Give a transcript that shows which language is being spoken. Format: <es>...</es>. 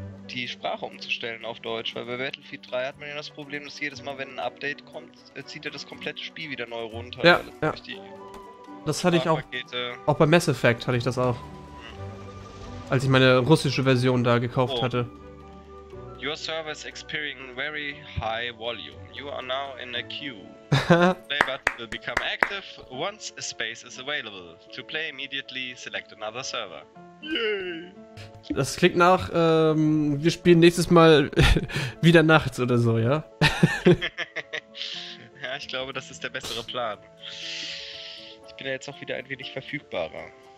<de>Die Sprache umzustellen auf Deutsch, weil bei Battlefield 3 hat man ja das Problem, dass jedes Mal, wenn ein Update kommt, zieht er das komplette Spiel wieder neu runter. Ja, ja. Das hatte ich auch. Auch bei Mass Effect hatte ich das auch. Als ich meine russische Version da gekauft hatte.</de> <en>Your server is experiencing very high volume. You are now in a queue. Play button will become active once a space is available. To play immediately, select another server. Yay!</en> <de>Das klingt nach, wir spielen nächstes Mal wieder nachts oder so, ja? Ja, ich glaube, das ist der bessere Plan. Ich bin ja jetzt auch wieder ein wenig verfügbarer.</de>